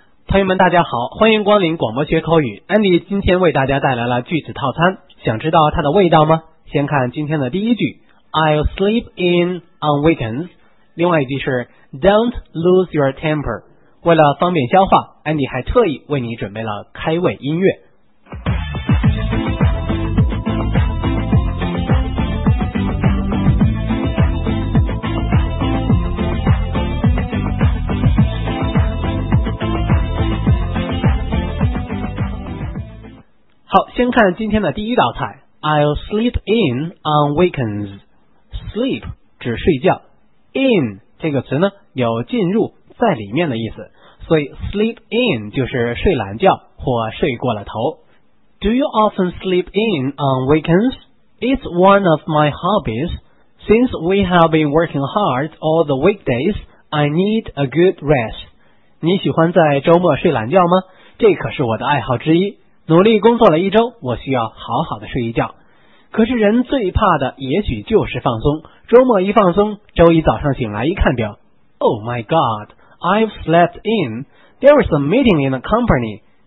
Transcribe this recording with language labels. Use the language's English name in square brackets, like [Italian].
[Chinese] 朋友们大家好，欢迎光临广播学口语。安迪今天为大家带来了句子套餐，想知道它的味道吗？先看今天的第一句， [English] I'll sleep in on weekends。 [Chinese] 另外一句是 [English] Don't lose your temper。 [Chinese] 为了方便消化，安迪还特意为你准备了开胃音乐。好，先看今天的第一道菜， [English] I'll sleep in on weekends。 [Chinese] Sleep 指睡觉， in 这个词呢有进入在里面的意思，所以 sleep in 就是睡懒觉或睡过了头。 [English] Do you often sleep in on weekends? It's one of my hobbies. Since we have been working hard all the weekdays, I need a good rest. [Chinese] 你喜欢在周末睡懒觉吗？这可是我的爱好之一，努力工作了一周，我需要好好的睡一觉。可是人最怕的也许就是放松，周末一放松，周一早上醒来一看表， [English] Oh my god, I've slept in, there is a meeting in the company.